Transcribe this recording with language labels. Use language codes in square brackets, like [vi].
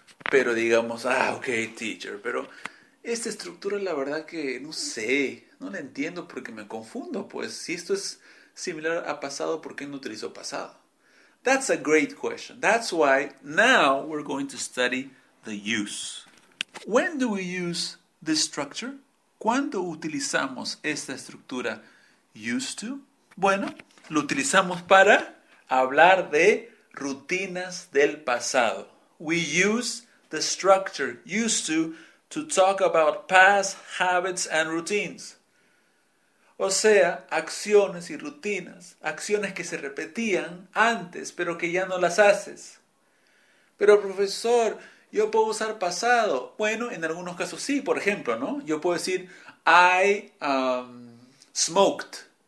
[es] Pero digamos, ok, teacher, pero esta estructura la verdad que no sé, no la entiendo porque me confundo. Pues, si esto es similar a pasado, ¿por qué no utilizo pasado? [en] That's a great question. That's why now we're going to study the use. When do we use this structure? ¿Cuándo utilizamos esta estructura used to? [es] Bueno, lo utilizamos para hablar de rutinas del pasado. [en] We use the structure used to talk about past habits and routines. [es] O sea, acciones y rutinas. Acciones que se repetían antes, pero que ya no las haces. Pero profesor, ¿yo puedo usar pasado? Bueno, en algunos casos sí. Por ejemplo, ¿no? Yo puedo decir, I smoked.